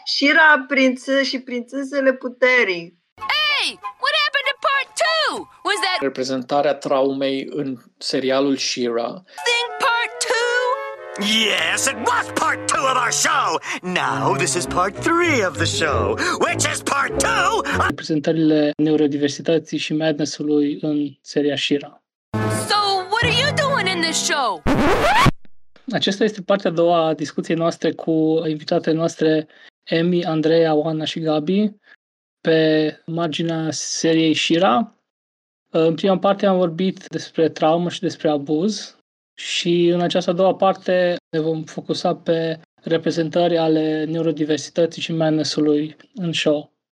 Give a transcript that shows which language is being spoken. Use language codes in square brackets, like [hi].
[ro] She-Ra Princess și Prințesele Puterii. [en] Hey! What happened to part 2? Was that... [ro] Reprezentarea traumei în serialul She-Ra. [en] Think part 2? Yes, it was part 2 of our show! Now, this is part 3 of the show, which is part 2... [ro] Reprezentările neurodiversității și madness-ului în seria She-Ra. [en] So, what are you doing in this show? [ro] Acesta este partea a doua a discuției noastre cu invitatele noastre Emmy, Andreea, Oana și Gabi pe marginea seriei She-Ra. În prima parte am vorbit despre traumă și despre abuz și în această a doua parte ne vom focusa pe reprezentări ale neurodiversității și madness-ului în show.